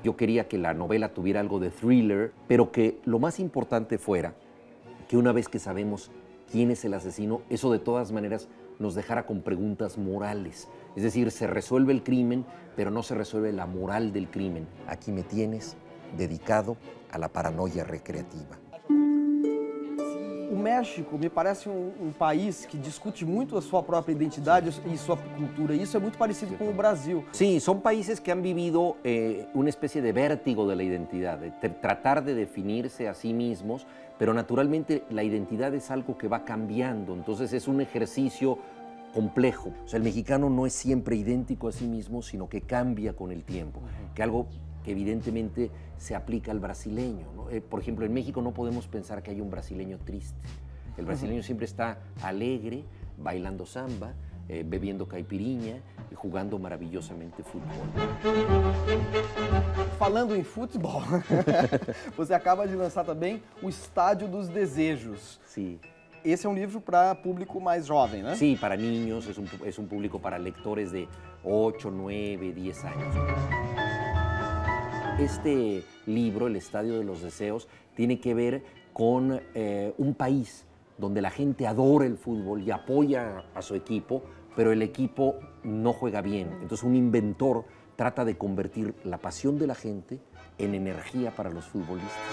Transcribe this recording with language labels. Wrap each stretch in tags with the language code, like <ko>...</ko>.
<es>Yo quería que la novela tuviera algo de thriller, pero que lo más importante fuera que una vez que sabemos quién es el asesino, eso de todas maneras nos dejara con preguntas morales. Es decir, se resuelve el crimen, pero no se resuelve la moral del crimen. Aquí me tienes dedicado a la paranoia recreativa.</es> <pt>O México me parece um país que discute muito a sua própria identidade e sua cultura. Isso é muito parecido com o Brasil. Sim, são países que</pt> <es>han vivido</es> <pt>uma espécie</pt> <es>de vértigo de la identidad, de tratar de</es> <pt>definir-se a si mesmos,</pt> <es>pero naturalmente la identidad es algo que va cambiando, entonces es un ejercicio complejo. O sea, el mexicano no es siempre idéntico a sí mismo, sino que cambia con el tiempo, que algo que evidentemente se aplica al brasileño, ¿no? Por ejemplo, en México no podemos pensar que hay un brasileño triste. El brasileño siempre está alegre, bailando samba, bebiendo caipirinha y jugando maravillosamente fútbol.</es> <pt>Falando em futebol, você acaba de lançar também O Estádio dos Desejos. Sim. Esse é um livro para público mais jovem, né? Sim, para niños, é um público para leitores de 8, 9, 10 anos.</pt> <es>Este livro, El Estadio de los Deseos, tiene que ver con un país donde la gente adora el fútbol y apoya a su equipo, pero el equipo no juega bien. Entonces, un inventor trata de convertir la pasión de la gente en energía para los futbolistas.</es>